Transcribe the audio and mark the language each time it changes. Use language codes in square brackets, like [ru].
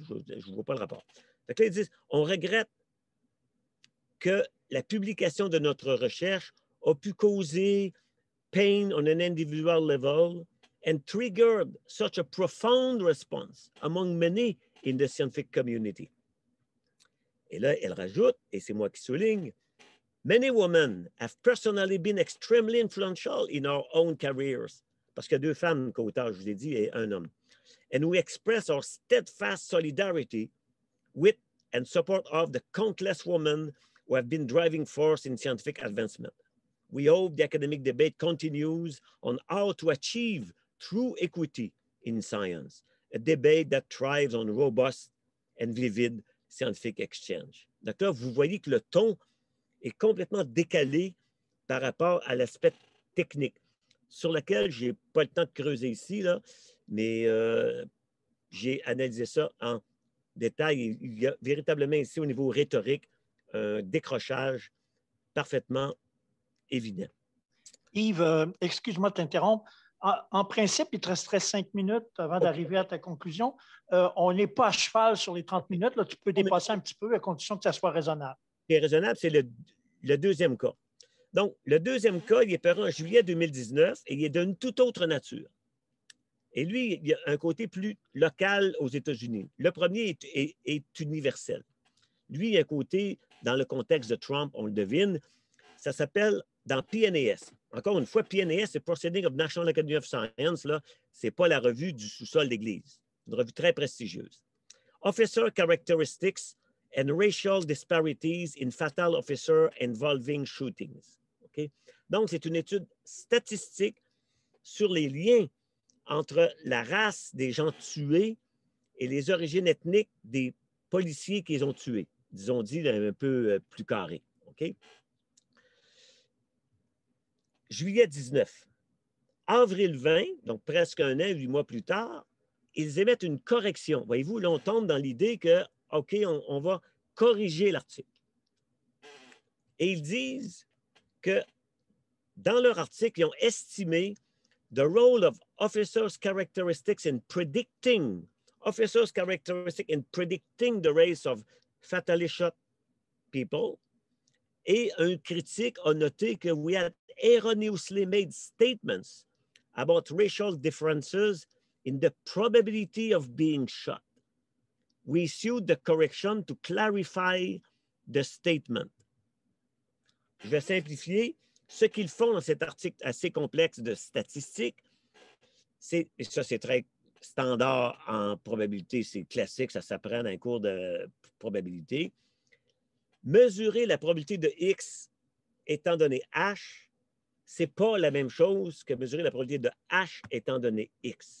[fr] Je ne vois pas le rapport. Donc là, ils disent, on regrette que la publication de notre recherche a pu causer [en] pain on an individual level and triggered such a profound response among many in the scientific community. [fr] Et là, elle rajoute, et c'est moi qui souligne, [en] many women have personally been extremely influential in our own careers. [fr] Parce qu'il y a deux femmes co-auteurs, je vous l'ai dit, et un homme. [en] And we express our steadfast solidarity with and support of the countless women who have been driving force in scientific advancement. We hope the academic debate continues on how to achieve true equity in science, a debate that thrives on robust and vivid scientific exchange. [fr] Donc là, vous voyez que le ton est complètement décalé par rapport à l'aspect technique, sur lequel je n'ai pas le temps de creuser ici, là, mais j'ai analysé ça en détail. Il y a véritablement ici, au niveau rhétorique, un décrochage parfaitement évident. Yves, excuse-moi de t'interrompre. En principe, il te resterait 5 minutes avant d'arriver à ta conclusion. On n'est pas à cheval sur les 30 minutes. Là, tu peux dépasser un petit peu à condition que ça soit raisonnable. C'est raisonnable, c'est le deuxième cas. Donc, le deuxième cas, il est paru en juillet 2019 et il est d'une toute autre nature. Et lui, il y a un côté plus local aux États-Unis. Le premier est universel. Lui, il y a un côté, dans le contexte de Trump, on le devine, ça s'appelle dans PNAS. Encore une fois, PNAS, c'est Proceedings of National Academy of Science, là, c'est pas la revue du sous-sol d'église. Une revue très prestigieuse. [en] Officer Characteristics and Racial Disparities in Fatal Officer Involving Shootings. Okay? [fr] Donc, c'est une étude statistique sur les liens entre la race des gens tués et les origines ethniques des policiers qu'ils ont tués, disons dit un peu plus carré. Okay? Juillet 19. Avril 20, donc presque un an, 8 mois plus tard, ils émettent une correction. Voyez-vous, là, on tombe dans l'idée que, OK, on va corriger l'article. Et ils disent que dans leur article, ils ont estimé [en] the role of officers' characteristics in predicting the race of fatally shot people. [fr] Et un critique a noté que [en] we had erroneously made statements about racial differences in the probability of being shot. We issued the correction to clarify the statement. [fr] Je vais simplifier. Ce qu'ils font dans cet article assez complexe de statistiques, c'est, et ça, c'est très standard en probabilité, c'est classique, ça s'apprend dans un cours de probabilité. Mesurer la probabilité de X étant donné H, c'est pas la même chose que mesurer la probabilité de H étant donné X.